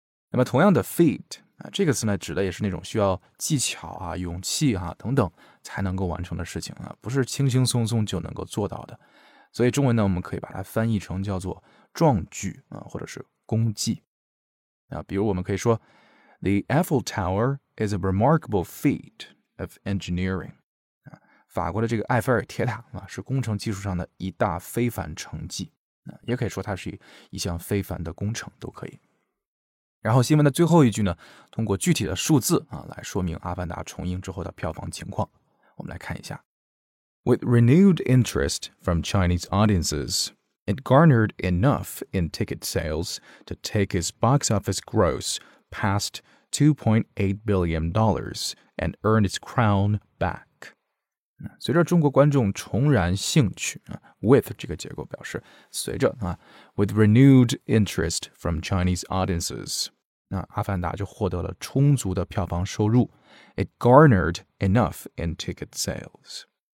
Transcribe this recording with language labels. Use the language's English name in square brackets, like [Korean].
[Chinese] 那么同样的 feat 啊，这个词呢指的也是那种需要技巧啊、勇气啊等等才能够完成的事情啊，不是轻轻松松就能够做到的。所以中文呢，我们可以把它翻译成叫做壮举啊，或者是功绩啊。比如我们可以说 [English] ，The Eiffel Tower is a remarkable feat of engineering. [Chinese] 法国的这个埃菲尔铁塔、啊、是工程技术上的一大非凡成绩、啊、也可以说它是 一项非凡的工程都可以。然后新闻的最后一句呢，通过具体的数字、啊、来说明阿凡达重映之后的票房情况。我们来看一下。 [English] With renewed interest from Chinese audiences, it garnered enough in ticket sales to take its box office gross past $2.8 billion and earn its crown back. [Chinese] 随着中国观众重燃兴趣、啊、with 这个结构表示随着、啊、 [English] with renewed interest from Chinese audiences [Chinese] 那阿凡达就获得了充足的票房收入 [English] It garnered enough in ticket sales